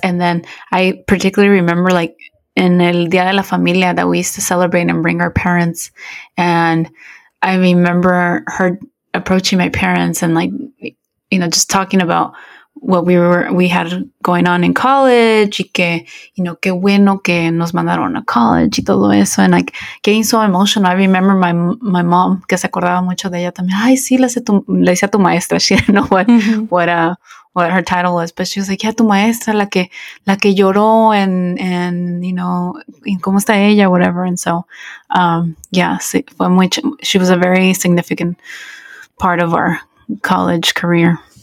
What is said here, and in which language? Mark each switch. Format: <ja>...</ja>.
<en>And then I particularly remember, like, in el Día de la Familia that we used to celebrate and bring our parents, and I remember her approaching my parents and, like, you know, just talking about what we had going on in college,</en> <es>y que,</es> <en>you know,</en> <es>que bueno que nos mandaron a college y todo eso,</es> <en>and like getting so emotional. I remember my mom,</en> <es>que se acordaba mucho de ella también. Ay, sí, le decía a tu maestra.</es> <en>She didn't know what her title was, but she was like, yeah,</en> <es>tu maestra, la que lloró,</es> <en>and you know,</en> <es>en cómo está ella,</es> <en>whatever. And so, yeah,</en> <es>sí, fue mucho,</es> <en>she was a very significant part of our college career.</en>